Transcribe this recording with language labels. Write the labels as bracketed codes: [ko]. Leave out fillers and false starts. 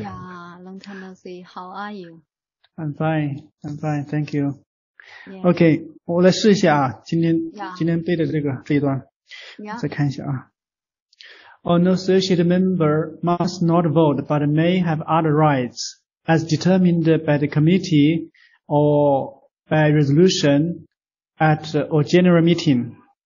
[en] Yeah, long time no see, how are you? I'm fine, thank you. [zh] Okay, 我来试一下啊，今天背的这一段，再看一下啊。 [en] An associate member must not vote, but may have other rights, as determined by the committee or by resolution,at a general meeting.